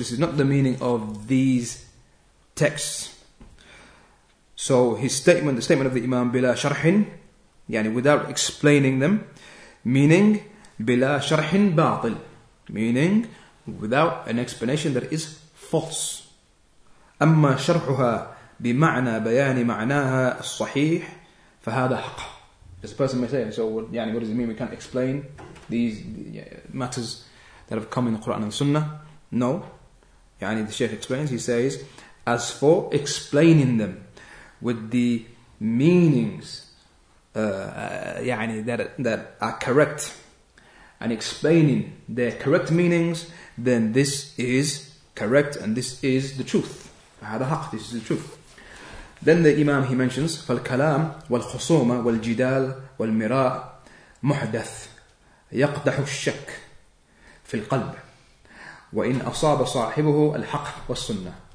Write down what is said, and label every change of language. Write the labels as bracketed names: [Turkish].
[English] This is not the meaning of these texts. So his statement, the statement of the Imam, بلا شرح, يعني without explaining them, meaning [Arabic] بلا شرح باطل, [English] meaning without an explanation that is false. [Arabic] أما شرحها بمعنى بيان معناها الصحيح فهذا حق. [English] This person may say, so يعني what does it mean? We can't explain these matters that have come in the Quran and Sunnah. No. يعني the Shaykh explains, he says, as for explaining them with the meanings that are correct, and explaining their correct meanings, then this is correct and this is the truth. [Arabic] هذا حق, [English] this is the truth. Then the Imam, he mentions, [Arabic] فالكلام والخصومة والجدال والمراء محدث يقدح الشك في القلب وإن أصاب صاحبه الحق والسنة.